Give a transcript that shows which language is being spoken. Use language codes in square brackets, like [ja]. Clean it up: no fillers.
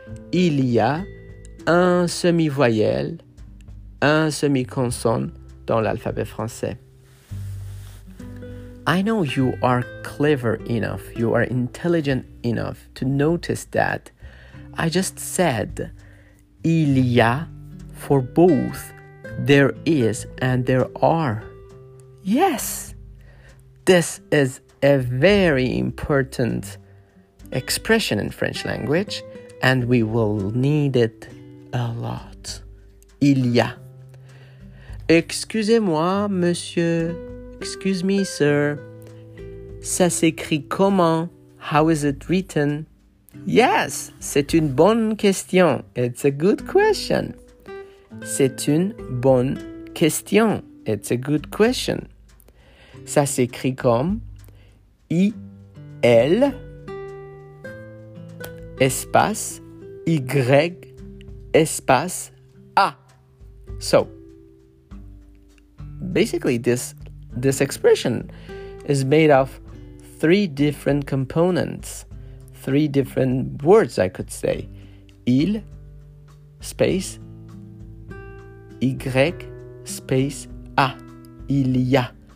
[fr] Il y a un semi-voyelle, un semi-consonne dans l'alphabet français. [en] I know you are clever enough, you are intelligent enough to notice that I just said il y a for both there is and there are. Yes, this is a very important expression in French language, and we will need it a lot. [fr] Il y a. Excusez-moi, monsieur. [en] Excuse me, sir. [fr] Ça s'écrit comment? [en] How is it written? Yes, [fr] c'est une bonne question. [en] It's a good question. [fr] C'est une bonne question. [en] It's a good question. [fr] Ça s'écrit comme I L espace Y espace A. [en] So basically this expression is made of three different components, three different words, I could say. Il space Y space A. [fr] Il y a.